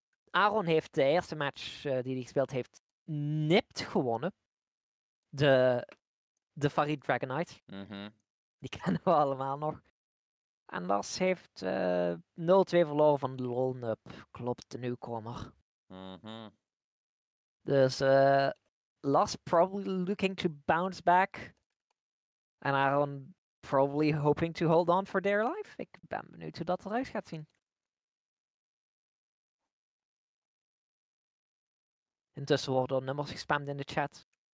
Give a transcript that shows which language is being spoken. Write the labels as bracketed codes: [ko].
[nl] Aaron heeft de eerste match die hij gespeeld heeft nipt gewonnen. De Farid Dragonite. Die kennen we allemaal nog. En Lars heeft 0-2 verloren van de LoL-nup. Klopt, de nieuwkomer. [en] Dus Lars probably looking to bounce back. En Aaron probably hoping to hold on for dear life. [nl] Ik ben benieuwd hoe dat eruit gaat zien. Intussen worden er nummers gespamd in de chat.